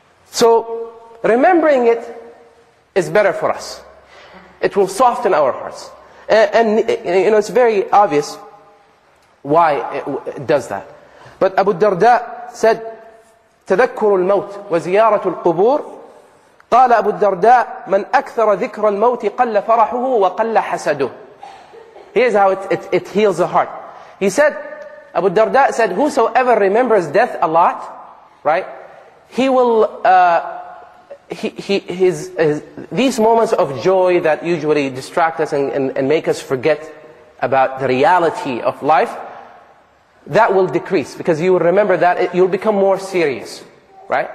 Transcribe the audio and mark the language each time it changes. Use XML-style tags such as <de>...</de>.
<en>So remembering it is better for us. It will soften our hearts. And you know, it's very obvious why it does that. But Abu Darda said,</en> <ar>تذكر الموت وزيارة القبور. قال أبو الدرداء من أكثر ذكر الموت قل فرحه وقل حسده.</ar> <en>Here's how it heals the heart. He said, Abu Darda said, whosoever remembers death a lot, right, he will these moments of joy that usually distract us and make us forget about the reality of life, that will decrease, because you will remember that you'll become more serious, right?</en>